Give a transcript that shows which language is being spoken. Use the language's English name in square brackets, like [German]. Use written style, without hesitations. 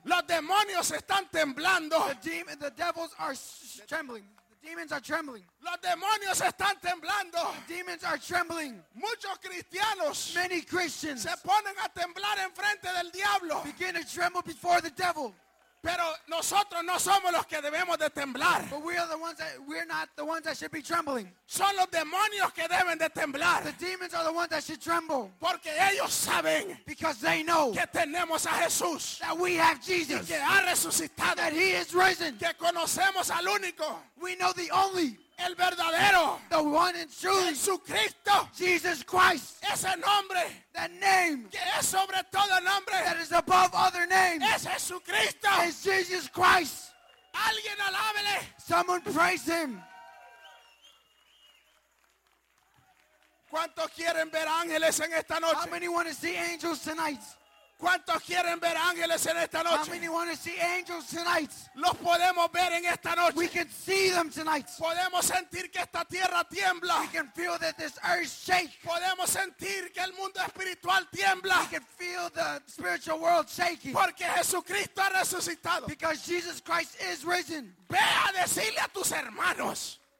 [Spanish] Los demonios están temblando. [English] The devils are trembling. The demons are trembling. [Spanish] Los demonios están temblando. [English] The demons are trembling. [Spanish] Muchos cristianos. [English] Many Christians. [Spanish] Se ponen a temblar en frente del diablo. [English] Begin to tremble before the devil. [Spanish] Pero nosotros no somos los que debemos de temblar. [English] But we are the ones that we're not the ones that should be trembling. [Spanish] Son los demonios que deben de temblar. [English] The demons are the ones that should tremble. [Spanish] Porque ellos saben. [English] Because they know. [Spanish] Que tenemos a Jesús. [English] That we have Jesus. [Spanish] Y que ha resucitado. [English] That he is risen. [Spanish] Que conocemos al único. [English] We know the only. [Spanish] El verdadero. [English] The one and true. [Spanish] Jesucristo. [English] Jesus Christ. [Spanish] Ese nombre. [English] That name. [Spanish] Que es sobre todo nombre. [English] That is above other names. [Spanish] Es Jesucristo. [English] Is Jesus Christ. [Spanish] Alguien alábele. [English] Someone praise him. [Spanish] ¿Cuántos quieren ver ángeles en esta noche? [English] How many want to see angels tonight? [Spanish] ¿Cuántos quieren ver ángeles en esta noche? [English] How many want to see angels tonight? [Spanish] Los podemos ver en esta noche. [English] We can see them tonight. [Spanish] Podemos sentir que esta tierra tiembla. [English] We can feel that this earth shakes. [Spanish] Podemos sentir que el mundo espiritual tiembla. [English] We can feel the spiritual world shaking. [Spanish] Porque Jesucristo ha resucitado. [English] Because Jesus Christ is risen. [Spanish] Ve a decirle a tus hermanos.